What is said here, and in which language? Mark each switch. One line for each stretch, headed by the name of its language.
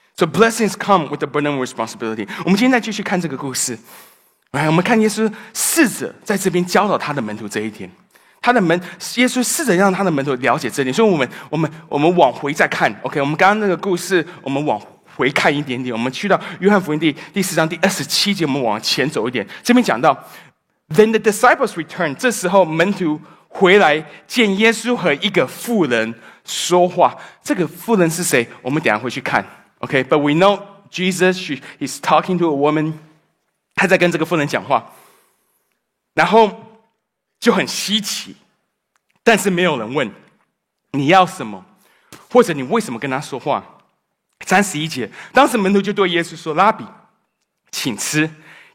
English: So blessings come with a burden of responsibility.
Chinese: 我们今天再继续看这个故事。来，我们看耶稣试着在这边教导他的门徒这一点。耶稣试着让他的门徒了解这点。所以我们往回再看。 OK, 我们刚刚那个故事我们往回看一点点。我们去到约翰福音第四章第二十七节，我们往前走一点。这边讲到
English: Then the disciples returned.
Chinese: 这时候门徒回来见耶稣和一个妇人说话。这个妇人是谁，我们等一下会去看。
English: Okay, but we know Jesus is talking to a woman.
Chinese: 他在跟这个妇人讲话，然后就很稀奇，但是没有人问你要什么，或者你为什么跟他说话。三十一节，当时门徒就对耶稣说：“拉比，请吃。”